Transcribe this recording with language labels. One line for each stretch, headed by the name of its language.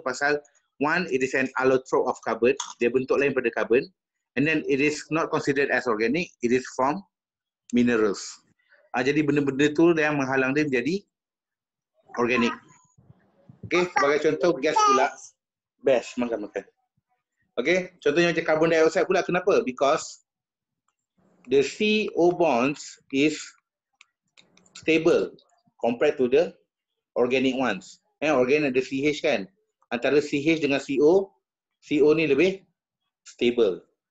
English: Pasal, one, it is an allotrope of carbon,
Malay: dia bentuk lain pada carbon,
English: and then it is not considered as organic, it is from minerals.
Malay: Jadi benda-benda tu yang menghalang dia menjadi organik. Okay, sebagai contoh gas pula. Best, makan-makan. Okay, contohnya macam carbon dioxide pula. Kenapa?
English: Because the CO bonds is stable compared to the organic ones.
Malay: Eh, organic ada CH kan? Antara CH dengan CO, CO ni lebih stable.